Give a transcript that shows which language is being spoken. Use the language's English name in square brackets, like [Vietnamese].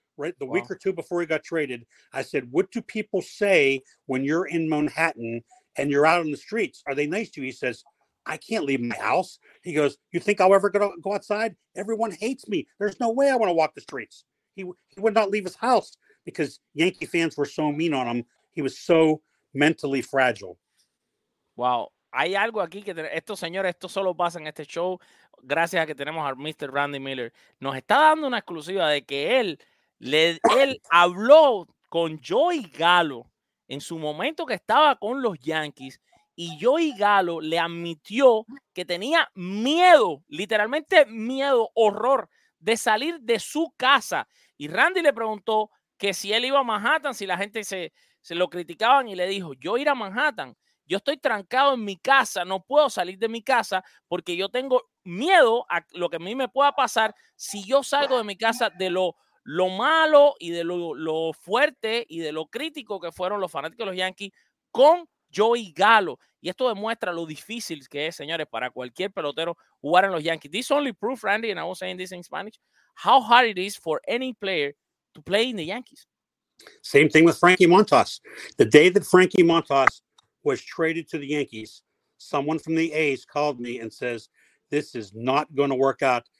[English] Right, the week or two before he got traded, I said, what do people say when you're in Manhattan and you're out on the streets? Are they nice to you? He says, I can't leave my house. He goes, you think I'll ever go outside? Everyone hates me. There's no way I want to walk the streets. He would not leave his house because Yankee fans were so mean on him. He was so mentally fragile. Wow. [Spanish] Hay algo aquí que estos señores, esto solo pasa en este show gracias a que tenemos a Mr. Randy Miller. Nos está dando una exclusiva de que él habló con Joey Gallo en su momento que estaba con los Yankees y Joey Gallo le admitió que tenía miedo, literalmente miedo, horror, de salir de su casa. Y Randy le preguntó que si él iba a Manhattan, si la gente se lo criticaban y le dijo, yo ir a Manhattan, yo estoy trancado en mi casa, no puedo salir de mi casa porque yo tengo miedo a lo que a mí me pueda pasar si yo salgo de mi casa de lo malo y de lo fuerte y de lo crítico que fueron los fanáticos de los Yankees con Joey Gallo. Y esto demuestra lo difícil que es, señores, para cualquier pelotero jugar en los Yankees. [English] This only proof, Randy, and I was saying this in Spanish, how hard it is for any player to play in the Yankees. Same thing with Frankie Montas. The day that Frankie Montas was traded to the Yankees, someone from the A's called me and says, this is not going to work out.